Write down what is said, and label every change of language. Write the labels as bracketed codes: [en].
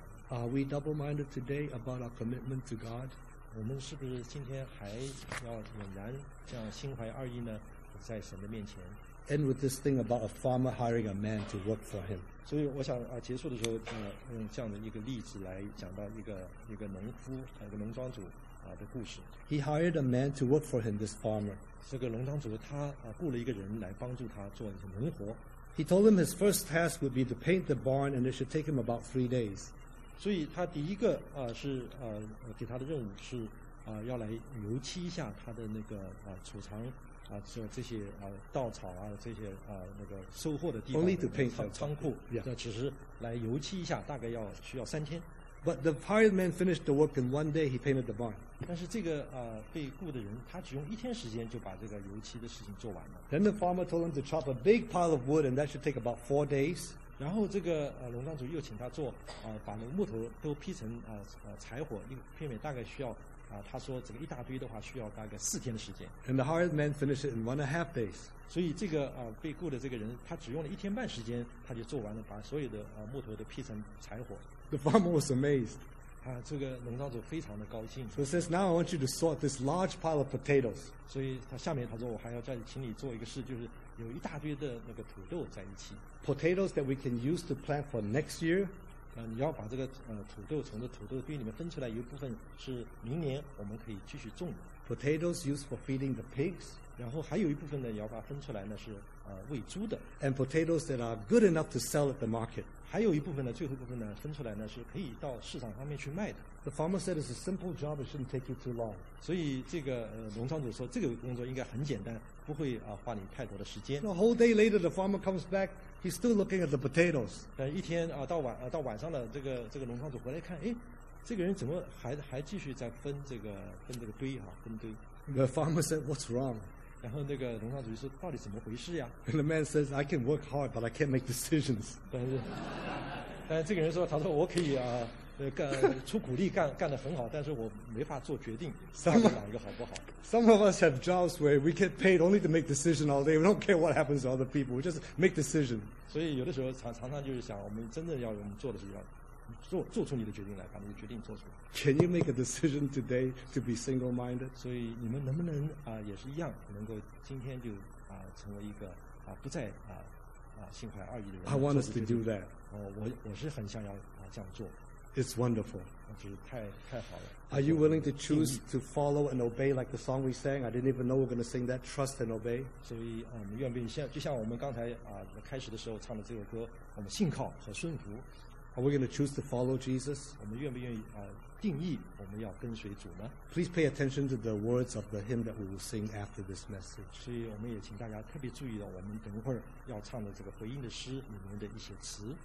[en] Are we double-minded today about our commitment to God? [zh] 我们是不是今天还要仍然这样心怀二意呢，在神的面前？ [en] End with this thing about a farmer hiring a man to work for him. [zh] 所以我想, 结束的时候，用这样的一个例子来讲到一个农夫，一个农庄主。 [en] He hired a man to work for him, this farmer. [zh] 这个农庄主他, 雇了一个人来帮助他做农活。 [en] He told him his first task would be to paint the barn and it should take him about 3 days. [zh] 所以他第一个, 给他的任务是, 要来油漆一下他的那个, 储藏, 这些, 稻草啊, 这些, 那个收获的地方, [en] Only to paint the [zh] 仓库, [en] yeah. [zh] 只是来油漆一下, 大概要需要3天。 [en] But the hired man finished the work in 1 day, he painted the barn. [zh] 但是这个, 被雇的人, 他只用1天时间就把这个油漆的事情做完了。 [en] Then the farmer told him to chop a big pile of wood and that should take about 4 days. [zh] 然后这个, 农庄主又请他做, 把那个木头都劈成, 柴火, 一片片大概需要, 他说这个一大堆的话需要大概4天的时间。 [en] And the hired man finished it in 1.5 days. [zh] 所以这个, 被雇的这个人, 他只用了1天半时间, 他就做完了, 把所有的, 木头都劈成柴火。 [en] The farmer was amazed. [zh] 这个农庄主非常的高兴。 [en] So he says, now I want you to sort this large pile of potatoes. [zh] 所以他下面他说, 我还要再请你做一个事, 就是有一大堆的那个土豆在一起。 [en] Potatoes that we can use to plant for next year. [zh] 你要把这个, 土豆从这土豆堆里面分出来一部分是明年我们可以继续种的。 [en] Potatoes used for feeding the pigs. [zh] 然后还有一部分呢,要把它分出来呢, 是, 喂猪的。 [en] And potatoes that are good enough to sell at the market. [zh] 还有一部分呢, 最后一部分呢, 分出来呢, 是可以到市场上面去卖的。 [en] The farmer said it's a simple job, it shouldn't take you too long. [zh] 所以这个, 农庄主说, 这个工作应该很简单, 不会, 花你太多的时间。 [en] A whole day later, the farmer comes back, he's still looking at the potatoes. [zh] 一天, 到晚, 到晚上了, 这个, 这个农庄主回来看, 诶, 这个人怎么还, 还继续在分这个, 分这个堆, 分堆。 [en] The farmer said, what's wrong? [zh] 然后那个农场主说到底怎么回事呀？ [en] And the man says, I can work hard, but I can't make decisions. [zh] 但是这个人说，他说我可以啊，干出苦力干得很好，但是我没法做决定，到底哪一个好不好。 [en] Some of us have jobs where we get paid only to make decisions all day. We don't care what happens to other people. We just make decisions. [zh] 所以有的时候常常就是想，我们真的要我们做的是要做出你的决定来，把你的决定做出来。 [en] Can you make a decision today to be single-minded? [zh] 所以你们能不能啊、也是一样，能够今天就啊、成为一个啊、不再啊、心怀二意的人。 [en] I want us to do that. [zh] 我是很想要啊、这样做。 [en] It's wonderful. [zh] 太好了。 [en] Are you willing to choose to follow and obey like the song we sang? I didn't even know we were going to sing that. Trust and obey. [zh] 所以我们愿不愿意，就像我们刚才啊、开始的时候唱的这个歌，我们信靠和顺服。 [en] Are we going to choose to follow Jesus? [zh] 我们愿不愿意啊、定义我们要跟随主呢？ [en] Please pay attention to the words of the hymn that we will sing after this message. [zh] 所以我们也请大家特别注意到我们等会儿要唱的这个回应的诗里面的一些词。